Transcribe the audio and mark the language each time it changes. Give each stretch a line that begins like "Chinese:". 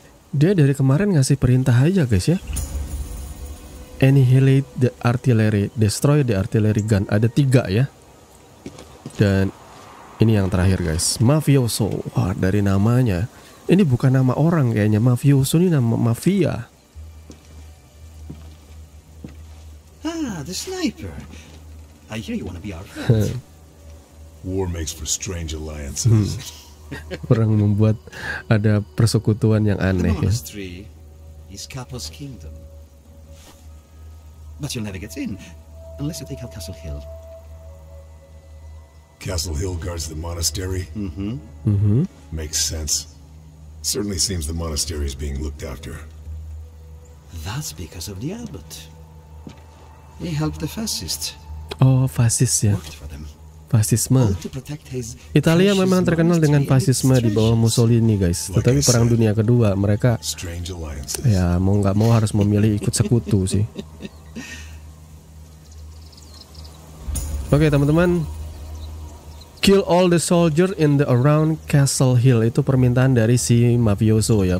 Indonesian: Dia dari kemarin ngasih perintah aja, guys, ya.
English: Annihilate the artillery, destroy the artillery gun.
Indonesian: Ada tiga, ya. Dan ini yang terakhir, guys. Mafioso. Wah, dari namanya. Ini bukan nama orang kayaknya. Mafioso ini nama mafia.
English: Ah, the sniper. I hear you want to be our friend. War makes for strange alliances.
Indonesian: Perang membuat ada persekutuan yang aneh.
English: The monastery is Capo's kingdom. But you'll never get in unless you take out Castle Hill. Castle Hill guards the monastery? Mm-hmm. Makes sense. Certainly seems the monastery is being looked after. That's because of the abbot. He helped the fascists.
Indonesian: Oh, fascists, ya. Fasisme. Italia memang terkenal dengan fasisme di bawah Mussolini, guys. Tetapi perang dunia kedua, mereka ya mau nggak mau harus memilih ikut sekutu sih. Okay, teman-teman.
English: Kill all the soldiers in the around Castle Hill.
Indonesian: Itu permintaan dari si mafioso, ya.